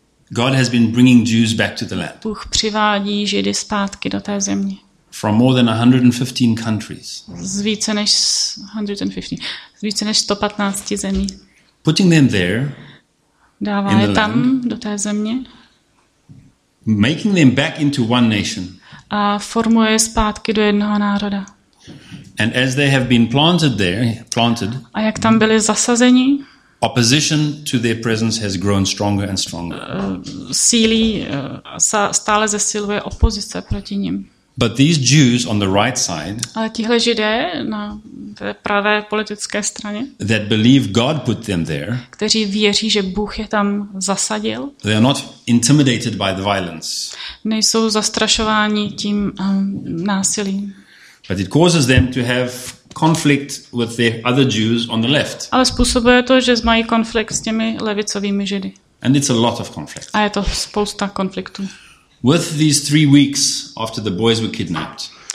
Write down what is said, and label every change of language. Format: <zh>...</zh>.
<en>God has been bringing Jews back to the land.</en> <cs>Bůh přivádí Židy zpátky do té země.</cs> <en>From more than 115 countries.</en> <cs>Z více než 115 zemí.</cs> <en>Putting them there,</en> <cs>dává je tam do té země,</cs> <en>making them back into one nation,</en> <cs>a formuje zpátky do jednoho národa.</cs> <en>And as they have been planted there,</en> <cs>a jak tam byli zasazeni,</cs> <en>opposition to their presence has grown stronger and stronger.</en> <cs>Sílí, stále zesiluje opozice proti nim.</cs> <en>But these Jews on the right side,</en> <cs>ale tihle Židé na té pravé politické straně,</cs> <en>that believe God put them there,</en> <cs>kteří věří, že Bůh je tam zasadil,</cs> <en>they are not intimidated by the violence,</en> <cs>nejsou zastrašováni tím násilím,</cs> <en>but it causes them to have conflict with the other Jews on the left.</en> <cs>Ale způsobuje to, že mají konflikt s těmi levicovými Židy.</cs> <en>And it's a lot of conflict.</en> <cs>A je to spousta konfliktů.</cs> <en>With these 3 weeks after the boys were kidnapped.</en>